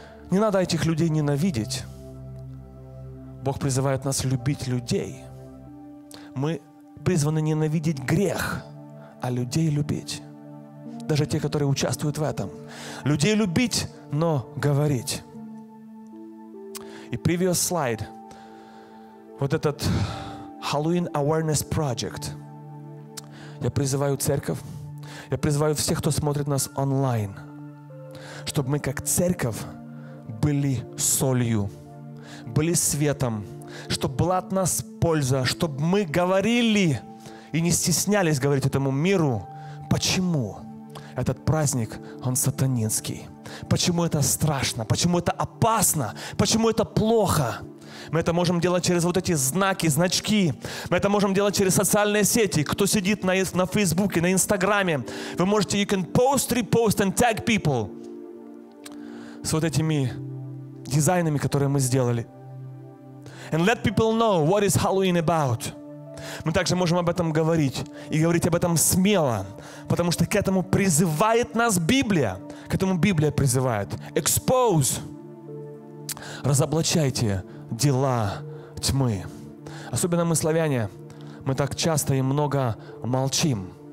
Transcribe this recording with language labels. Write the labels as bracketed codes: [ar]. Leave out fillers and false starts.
[ru] Не надо этих людей ненавидеть. Бог призывает нас любить людей. Мы призваны ненавидеть грех, а людей любить. Даже те, которые участвуют в этом. Людей любить, но говорить. [en] И previous slide. [ru] Вот этот Halloween Awareness Project. Я призываю церковь, я призываю всех, кто смотрит нас онлайн, чтобы мы как церковь были солью, были светом, чтобы была от нас польза, чтобы мы говорили и не стеснялись говорить этому миру, почему этот праздник, он сатанинский. Почему это страшно, почему это опасно, почему это плохо. Мы это можем делать через вот эти знаки, значки. Мы это можем делать через социальные сети. Кто сидит на Фейсбуке, на Инстаграме, вы можете, [en] you can post, repost and tag people. [ru] С вот этими дизайнами, которые мы сделали. [en] And let people know what is Halloween about. [ru] Мы также можем об этом говорить и говорить об этом смело, потому что к этому призывает нас Библия. К этому Библия призывает. [en] Expose. [ru] Разоблачайте дела тьмы. Особенно мы, славяне, мы так часто и много молчим.